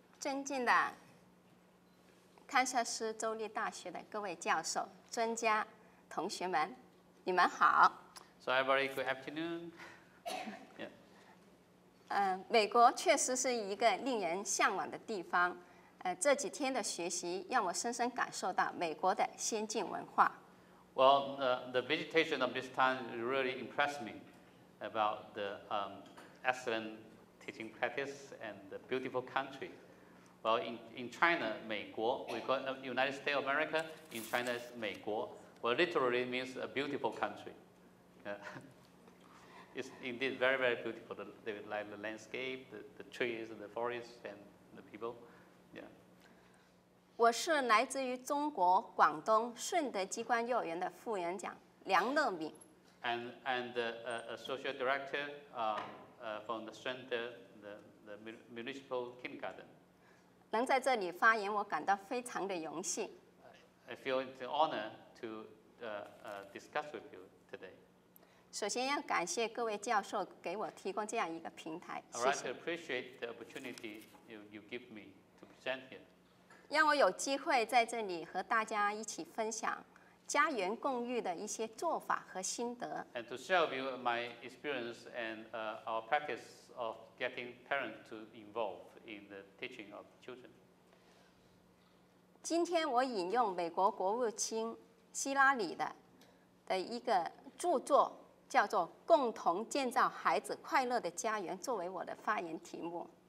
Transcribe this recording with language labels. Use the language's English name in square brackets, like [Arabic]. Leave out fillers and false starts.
[Chinese] 尊敬的堪萨斯州立大学的各位教授、专家、同学们，你们好。 [English] So a very good afternoon. [Chinese] 美国确实是一个令人向往的地方。这几天的学习让我深深感受到美国的先进文化。 [English] Well, the visitation of this town really impressed me about the excellent teaching practice and the beautiful country. Well, in China, 美国 we call United States of America. In China, it's 美国 Well, literally means a beautiful country. Yeah. It's indeed very, very beautiful. The landscape, the trees, and the forests, and the people. Yeah. [Chinese] 我是来自于中国广东顺德机关幼儿园的副园长梁乐敏。 [English] And associate director from the Shunde, the municipal kindergarten. [Chinese] 能在这里发言，我感到非常的荣幸。 [English] I feel it's an honor to discuss with you today. [Chinese] 首先要感谢各位教授给我提供这样一个平台。 [English] I really appreciate the opportunity you give me to present here. [Chinese] 让我有机会在这里和大家一起分享家园共育的一些做法和心得。 [English] And to share with you my experience and our practice of getting parents to involve in the teaching of children. [Chinese] 今天我引用美国国务卿希拉里的一个著作，叫做《共同建造孩子快乐的家园》，作为我的发言题目。